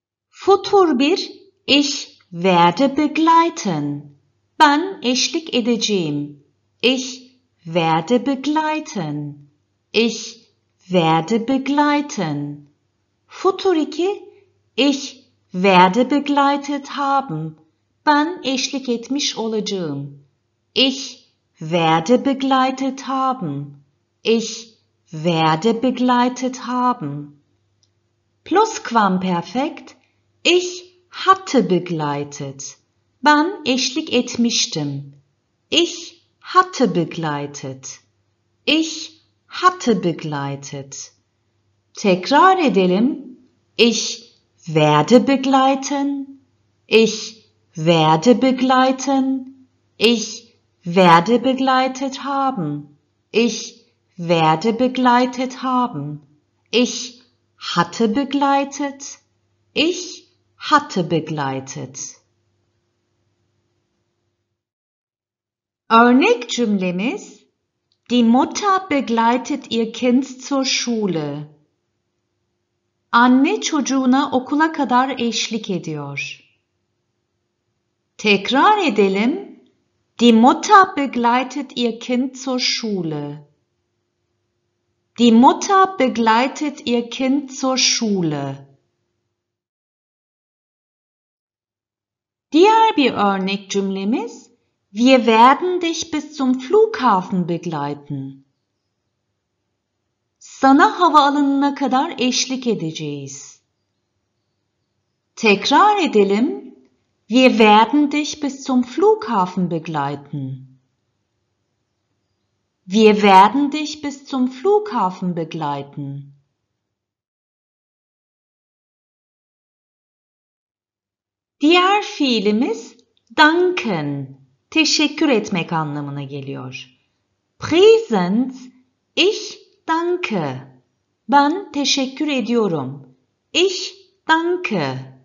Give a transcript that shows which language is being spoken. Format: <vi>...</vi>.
<de>Futur bir, ich werde begleiten.</de> <tr>Ben eşlik edeceğim.</tr> <de>Ich werde begleiten. Ich werde begleiten. Futur iki, ich werde begleitet haben.</de> <tr>Ben eşlik etmiş olacağım.</tr> <de>Ich werde begleitet haben. Ich werde begleitet haben. Plusquamperfekt, ich hatte begleitet.</de> <tr>Ben eşlik etmiştim.</tr> <de>Ich hatte begleitet. Ich hatte begleitet.</de> <tr>Tekrar edelim.</tr> <de>Ich werde begleiten. Ich werde begleiten. Ich werde begleitet haben. Ich werde begleitet haben. Ich hatte begleitet. Ich hatte begleitet.</de> <tr>Örnek cümlemiz:</tr> <de>Die Mutter begleitet ihr Kind zur Schule.</de> <tr>Anne çocuğuna okula kadar eşlik ediyor. Tekrar edelim.</tr> <de>Die Mutter begleitet ihr Kind zur Schule. Die Mutter begleitet ihr Kind zur Schule.</de> <tr>Diğer bir örnek cümlemiz:</tr> <de>Wir werden dich bis zum Flughafen begleiten.</de> <tr>Sana havaalanına kadar eşlik edeceğiz. Tekrar edelim.</tr> <de>Wir werden dich bis zum Flughafen begleiten. Wir werden dich bis zum Flughafen begleiten.</de> <tr>Diğer fiilimiz danken, teşekkür etmek anlamına geliyor.</tr> <de>Präsens, ich danke.</de> <tr>Ben teşekkür ediyorum.</tr> <de>Ich danke.</de>